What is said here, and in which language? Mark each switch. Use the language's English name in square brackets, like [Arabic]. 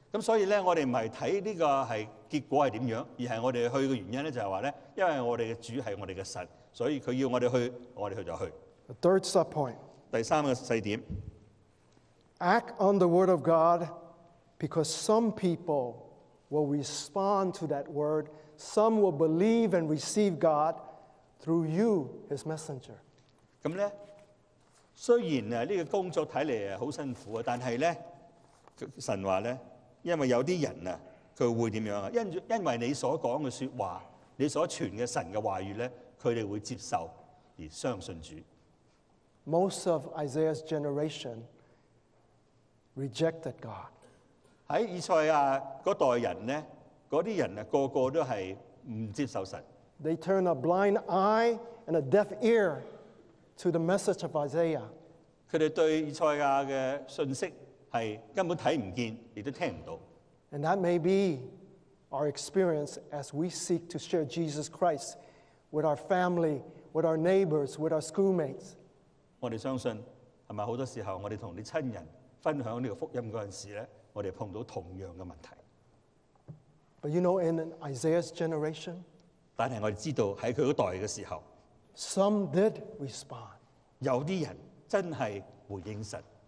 [Cantonese] 咁所以咧，我哋唔係睇呢個係結果係點樣，而係我哋去嘅原因咧，就係話咧，因為我哋嘅主係我哋嘅神，所以佢要我哋去，我哋去就去。 [English] The third subpoint. [Cantonese] 第三個細點。 [English] Act on the word of God because some people will respond to that word. Some will believe and receive God through you, his messenger. [Cantonese] 咁咧，雖然啊呢個工作睇嚟好辛苦啊，但係咧，神話咧，因為有啲人啊，佢會點樣啊？因為你所講嘅説話，你所傳嘅神嘅話語咧，佢哋會接受而相信主。 [English] Most of Isaiah's generation rejected God. [Cantonese] 喺以賽亞嗰代人咧，嗰啲人啊，個個都係唔接受神。 [English] They turn a blind eye and a deaf ear to the message of Isaiah. [Cantonese] 佢哋對以賽亞嘅信息係根本睇唔見，亦都聽唔到。 [English] And that may be our experience as we seek to share Jesus Christ with our family, with our neighbors, with our schoolmates. [Cantonese] 我哋相信係咪好多時候我哋同啲親人分享呢個福音嗰陣時咧，我哋碰到同樣嘅問題。 [English] But you know, in Isaiah's generation, [Cantonese] 但係我哋知道喺佢嗰代嘅時候 [English] ，some did respond. [Cantonese] 有啲人真係回應神